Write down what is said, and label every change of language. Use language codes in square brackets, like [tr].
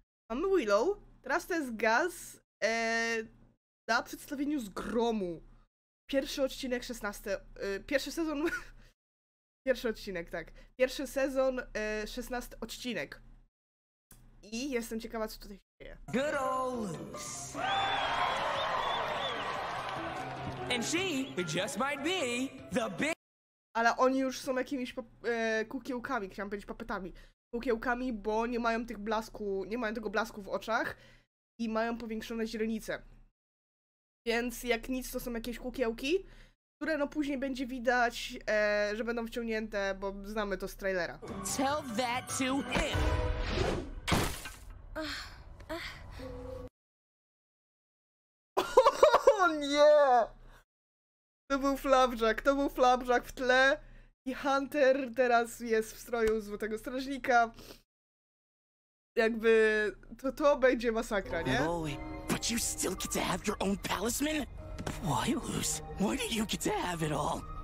[pl] Mamy Willow, teraz to jest Gaz na przedstawieniu z Gromu. Pierwszy odcinek, 16. Pierwszy sezon. Pierwszy odcinek, tak. Pierwszy sezon, 16 odcinek. I jestem ciekawa, co tutaj się dzieje. [en] Good old Luz. And she just might be the big. [pl] Ale oni już są jakimiś kukiełkami, chciałam powiedzieć papetami. Kukiełkami, bo nie mają tych blasku, nie mają tego blasku w oczach i mają powiększone źrenice. Więc jak nic, to są jakieś kukiełki, które no później będzie widać, że będą wciągnięte, bo znamy to z trailera. [en] Tell that to him. [pl] O nie! To był flapjack w tle i Hunter teraz jest w stroju Złotego Strażnika. Jakby to będzie masakra, nie? [en] But you still get to have your own talisman? Why, Luz? Why do you get to have it all?